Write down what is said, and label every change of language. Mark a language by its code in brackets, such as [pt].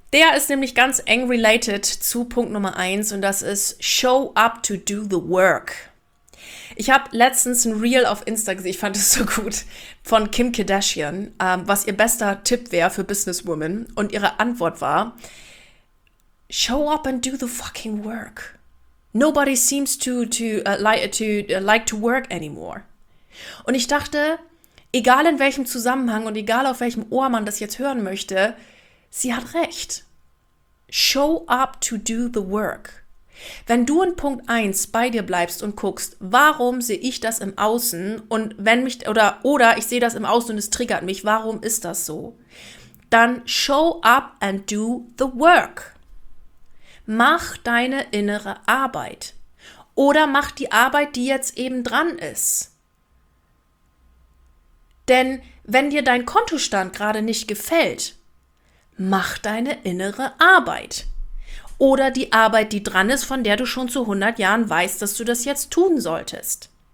[de] Der ist nämlich ganz eng related zu Punkt Nummer 1 und das ist [en] Show up to do the work. [de] Ich habe letztens ein Reel auf Insta gesehen, ich fand es so gut, von Kim Kardashian, was ihr bester Tipp wäre für Businesswomen. Und ihre Antwort war, [en] show up and do the fucking work. Nobody seems to like to work anymore. [de] Und ich dachte, egal in welchem Zusammenhang und egal auf welchem Ohr man das jetzt hören möchte, sie hat recht. [en] Show up to do the work. [de] Wenn du in Punkt 1 bei dir bleibst und guckst, warum sehe ich das im Außen und wenn mich oder ich sehe das im Außen und es triggert mich, warum ist das so? Dann [en] show up and do the work. [de] Mach deine innere Arbeit oder mach die Arbeit, die jetzt eben dran ist. Denn wenn dir dein Kontostand gerade nicht gefällt, mach deine innere Arbeit. Oder die Arbeit, die dran ist, von der du schon zu 100 Jahren weißt, dass du das jetzt tun solltest.